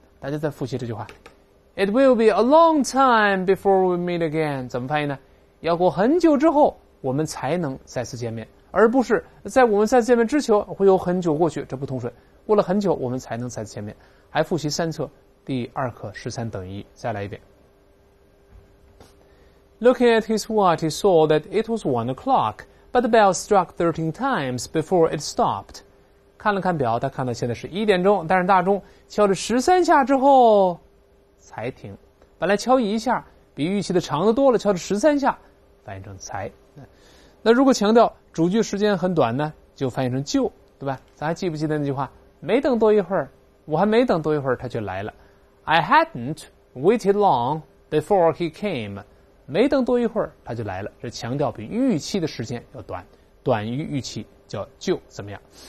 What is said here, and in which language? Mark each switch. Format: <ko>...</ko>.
<zh>大家再复习这句话，</zh> <en>It will be a long time before we meet again，</en> <zh>怎么翻译呢？要过很久之后我们才能再次见面，而不是在我们再次见面之前会有很久过去，这不通顺，过了很久我们才能再次见面。还复习三册第二课13等于1，再来一遍。</zh> <en>Looking at his watch, he saw that it was 1 o'clock, but the bell struck 13 times before it stopped.</en> <zh>看了看表，他看到现在是1点钟，但是大钟敲了13下之后才停，本来敲1下比预期的长的多了，敲了13下，翻译成才。那如果强调主句时间很短呢，就翻译成就，对吧？咱还记不记得那句话，没等多一会儿，我还没等多一会儿他就来了。</zh> <en>I hadn't waited long before he came，</en> <zh>没等多一会儿他就来了，这强调比预期的时间要短，短于预期叫就怎么样。</zh>